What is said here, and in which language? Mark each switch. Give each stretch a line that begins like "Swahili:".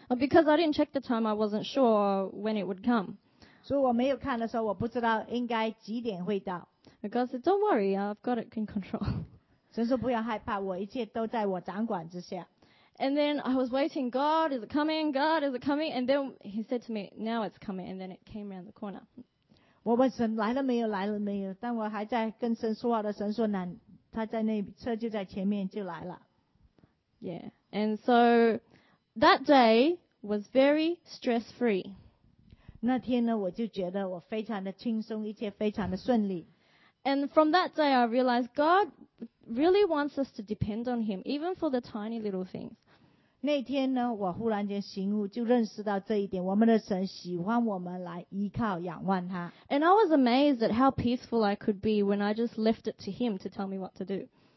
English: Because I didn't check the time, I wasn't sure when it would come.
Chinese: 所以我没有看的时候，我不知道应该几点会到。
English: God said, don't worry, I've got it in control.
Chinese: 神说不要害怕，我一切都在我掌管之下。
English: And then I was waiting, God, is it coming? God, is it coming? And then he said to me, now it's coming. And then it came around the corner.
Chinese: 我问神来了没有，来了没有？但我还在跟神说话的，神说难，他在那车就在前面就来了。
English: Yeah. And so that day was very stress-free.
Chinese: 那天呢，我就觉得我非常的轻松，一切非常的顺利。
English: And from that day, I realized God really wants us to depend on Him, even for the tiny little things.
Chinese: 那天呢，我忽然间醒悟，就认识到这一点。我们的神喜欢我们来依靠、仰望他。
English: And I was amazed at how peaceful I could be when I just left it to Him to tell me what to do.